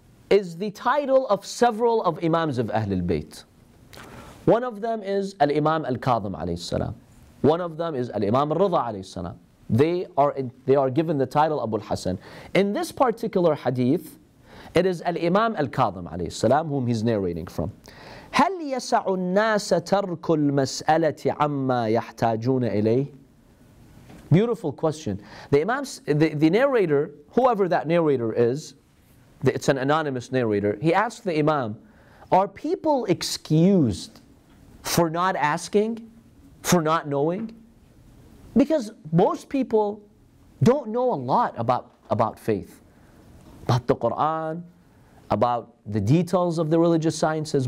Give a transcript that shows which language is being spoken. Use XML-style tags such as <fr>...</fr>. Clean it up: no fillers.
<en>is the title of several of Imams of Ahlul Bayt. One of them is Al-Imam Al-Kadhim alayhi salam. One of them is Al-Imam Al-Ridha alayhi salam. They are given the title Abu al-Hasan. In this particular hadith, it is Al-Imam Al-Kadhim alayhi salam whom he's narrating from.</en> <ar>هَلْ يَسَعُ النَّاسَ تَرْكُ الْمَسْأَلَةِ عَمَّا يَحْتَاجُونَ إِلَيْهِ</ar> <en>Beautiful question. The Imam, the narrator, whoever that narrator is, it's an anonymous narrator, he asked the Imam, are people excused for not asking, for not knowing? Because most people don't know a lot about faith, about the Quran, about the details of the religious sciences.</en>